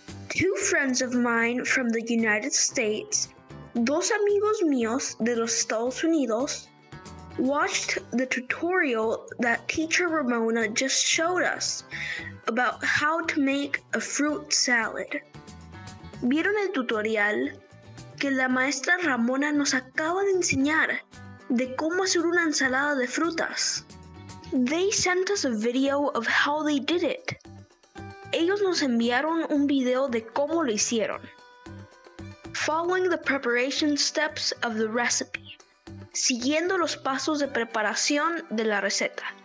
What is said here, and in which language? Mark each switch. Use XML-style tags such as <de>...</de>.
<en>Two friends of mine from the United States,</en> <es>dos amigos míos de los Estados Unidos,</es> <en>watched the tutorial that teacher Ramona just showed us about how to make a fruit salad.</en> <es>¿Vieron el tutorial que la maestra Ramona nos acaba de enseñar de cómo hacer una ensalada de frutas?</es> <en>They sent us a video of how they did it.</en> <es>Ellos nos enviaron un video de cómo lo hicieron.</es> <en>Following the preparation steps of the recipe.</en> <es>Siguiendo los pasos de preparación de la receta.</es>